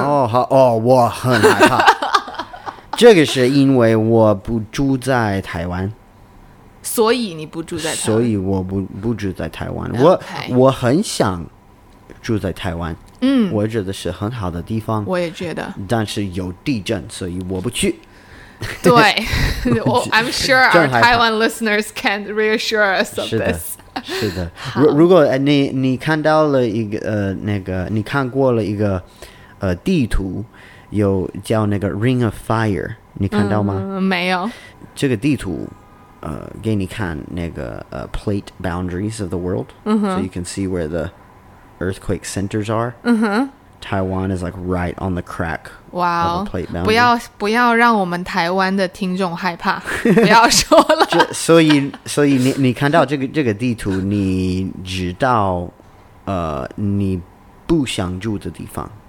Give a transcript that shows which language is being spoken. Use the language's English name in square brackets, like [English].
[Chinese] oh, 好哦、oh, 我很害怕这个是因为我不住在台湾所以你不住在台湾所以我不住在台湾、 [English] okay. [Chinese] 我很想住在台湾嗯，我觉得是很好的地方我也觉得但是有地震所以我不去 [English] 对 well, I'm sure our Taiwan listeners can reassure us of this [Chinese] 是的, 是的如果 你看到了一个、那个你看过了一个、地图有叫那个 Ring of Fire 你看到吗、嗯、没有这个地图、给你看那个、 [English] plate boundaries of the world、嗯、 so you can see where the earthquake centers are、嗯哼 Taiwan is like right on the crack. Wow. [Chinese] 不要让我们台湾的听众害怕。不要说了。所以 你看到这个地图你知道、你不想住的地方。